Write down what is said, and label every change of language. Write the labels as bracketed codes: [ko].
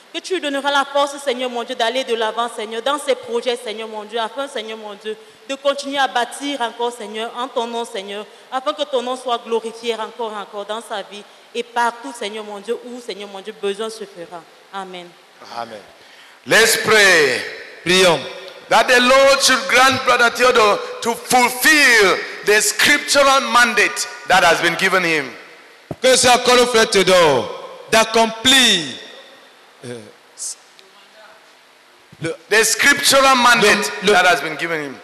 [fr] Que tu lui donneras la force, Seigneur mon Dieu, d'aller de l'avant, Seigneur, dans ses projets, Seigneur mon Dieu, afin, Seigneur mon Dieu, de continuer à bâtir encore, Seigneur, en ton nom, Seigneur, afin que ton nom soit glorifié encore dans sa vie et partout, Seigneur mon Dieu, où, Seigneur mon Dieu, besoin se fera. Amen. [en] Amen. Let's pray. [fr] Prions. [en] That the Lord should grant Brother Theodore to fulfill the scriptural mandate that has been given him. [fr] Que le Seigneur accorde au frère Theodore d'accomplir [en] the scriptural mandate that has been given him.